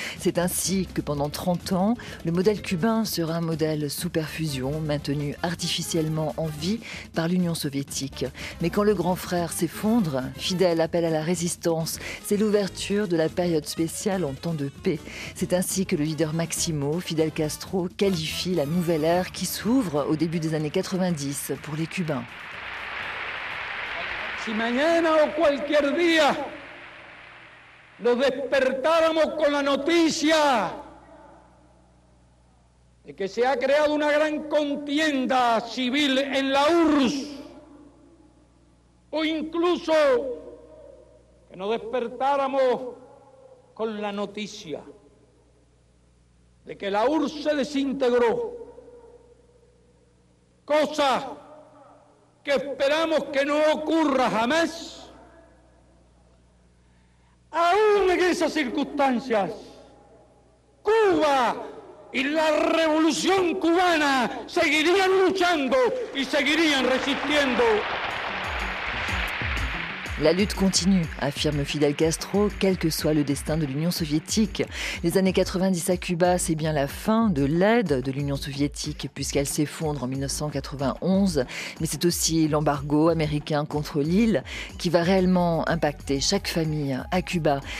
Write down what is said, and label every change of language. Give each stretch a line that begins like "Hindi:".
French: C'est ainsi que pendant 30 ans, le modèle cubain sera un modèle sous perfusion, maintenu artificiellement en vie par l'Union soviétique. Mais quand le grand frère s'effondre, Fidel appelle à la résistance, c'est l'ouverture de la période spéciale en temps de paix. C'est ainsi que le leader Maximo, Fidel Castro, qualifie la nouvelle ère qui s'ouvre au début des années 90 pour les Cubains.
Spanish: Si mañana o cualquier día nos despertáramos con la noticia de que se ha creado una gran contienda civil en la URSS. O incluso que nos despertáramos con la noticia de que la URSS se desintegró, cosa que esperamos que no ocurra jamás, aún en esas circunstancias, Cuba y la revolución cubana seguirían luchando y seguirían resistiendo.
French: La lutte continue, affirme Fidel Castro, quel que soit le destin de l'Union soviétique. Les années 90 à Cuba, c'est bien la fin de l'aide de l'Union soviétique puisqu'elle s'effondre en 1991. Mais c'est aussi l'embargo américain contre l'île qui va réellement impacter chaque famille à Cuba.